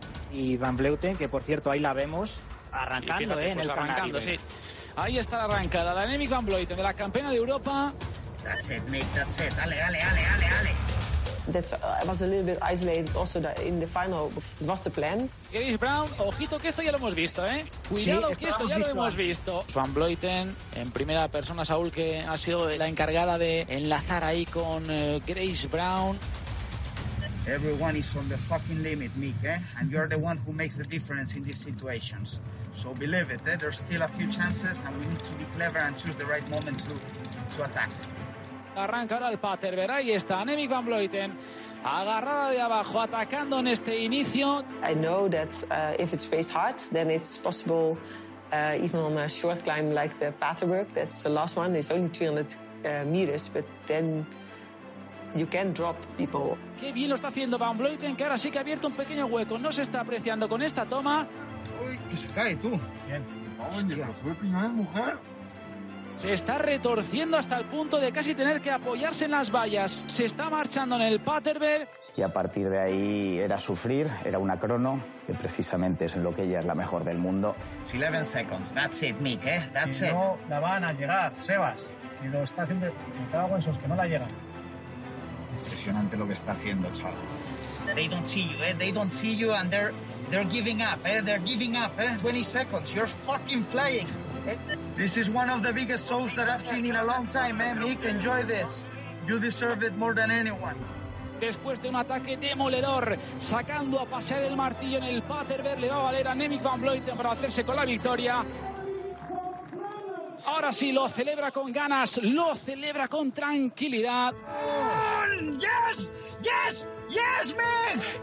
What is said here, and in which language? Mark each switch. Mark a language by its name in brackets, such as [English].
[Spanish] Y Van Vleuten, que por cierto, ahí la vemos arrancando, fíjate, en pues el arrancando, sí. Ahí está la arrancada, la Annemiek van Vleuten, de la campeona de Europa. [English] That's it, mate, that's it. Ale. I was a little bit isolated also in the final. It was the plan. [Spanish] Chris Brown, ojito que esto ya lo hemos visto, ¿eh? Cuidado, sí, que esto ya lo hemos visto. Van Vleuten, en primera persona, Saúl, que ha sido la encargada de enlazar ahí con Grace Brown. [English] Everyone is on the fucking limit, Mick, eh? And you're the one who makes the difference in these situations. So believe it, eh? There's still a few chances and we need to be clever and choose the right moment to attack. [Spanish] Arranca ahora el pater, verá, ahí está Annemiek van Vleuten, agarrada de abajo, atacando en este inicio. [English] I know that if it's race hard, then it's possible even on a short climb like the Paterberg, that's the last one, it's only 300 meters, but then you can drop people. [Spanish] Qué bien lo está haciendo van Vleuten, que ahora sí que ha abierto un pequeño hueco, no se está apreciando con esta toma. Uy, que se cae tú. Bien. Hostia, fue primera vez, mujer. Se está retorciendo hasta el punto de casi tener que apoyarse en las vallas. Se está marchando en el Paterberg. Y a partir de ahí era sufrir, era una crono, que precisamente es en lo que ella es la mejor del mundo. [English] 11 seconds, that's it, Mick, eh? That's it. [Spanish] Y no la van a llegar, Sebas. Y lo está haciendo, me cago en sus, que no la llegan. Impresionante lo que está haciendo, chaval. [English] They don't see you, eh? They don't see you and they're giving up, eh? They're giving up, eh? 20 seconds, you're fucking flying. This is one of the biggest shows that I've seen in a long time, eh, Mick? Enjoy this. You deserve it more than anyone. [Spanish] Después de un ataque demoledor, sacando a pasear el martillo en el Paterberg, le va a valer a Annemiek van Vleuten para hacerse con la victoria. Ahora sí, lo celebra con ganas, lo celebra con tranquilidad. [English] ¡Gol! win! Yes! Yes! Yes, Mick!